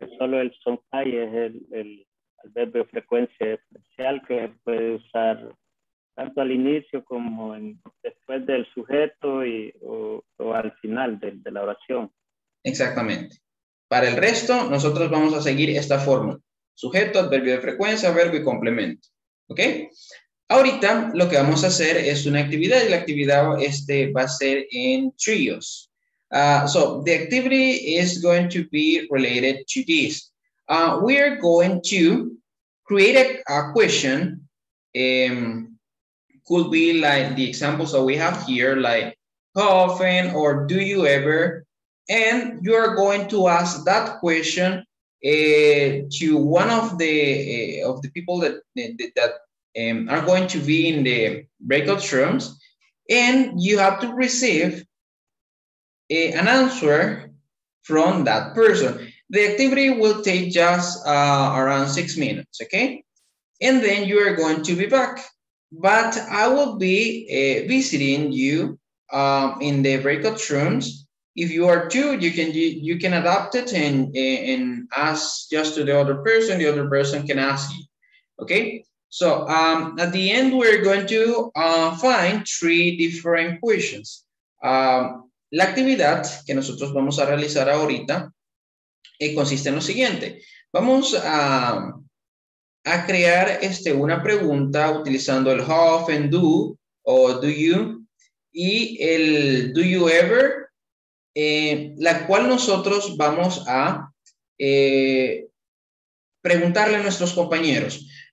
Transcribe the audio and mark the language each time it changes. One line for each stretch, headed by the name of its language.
Spanish: Solo el sonai es el adverbio de frecuencia especial que puede usar tanto al inicio como después del sujeto o al final de la oración. Exactamente. Para el resto, nosotros vamos a seguir esta fórmula. Sujeto, adverbio de frecuencia, verbo y complemento. ¿Ok? Ahorita lo que vamos a hacer es una actividad y la actividad va a ser en trios.
English: So, the activity is going to be related to this. We are going to create a question. Could be like the examples that we have here, like how often or do you ever? And you are going to ask that question to one of the people that are going to be in the breakout rooms, and you have to receive an answer from that person. The activity will take just around 6 minutes, okay? And then you are going to be back. But I will be visiting you in the breakout rooms. If you are two, you can adapt it and ask just to the other person can ask you, okay? So at the end, we're going to find three different questions.
Spanish: La actividad que nosotros vamos a realizar ahorita consiste en lo siguiente. Vamos a crear una pregunta utilizando el
English: how often do
Spanish: o do you y el
English: do you ever,
Spanish: la cual nosotros vamos a preguntarle a nuestros compañeros.